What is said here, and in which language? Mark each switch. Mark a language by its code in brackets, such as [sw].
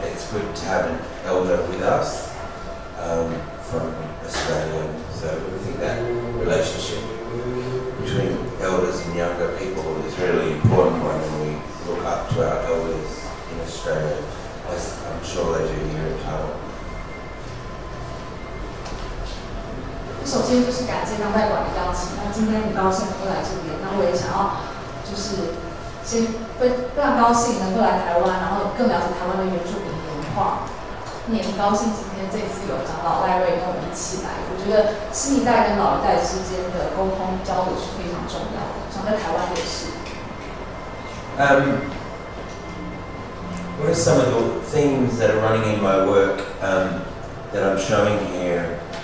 [en] It's good to have an elder with us from Australia. So we think that relationship. Between elders and younger people is a really important one, and we look up to our elders in Australia, as I'm sure they do here in Taiwan. [zh] 首先就是感谢当代馆的邀请，那今天很高兴能够来这边，那我也想要就是先非常高兴能够来台湾，然后更了解台湾的原住民文化。也很高兴今天这次有长老赖瑞跟我们一起来，我觉得新一代跟老一代之间的沟通交流是非常重要的，像在台湾也是。 [en] What are some of the themes that are running in my work that I'm showing here?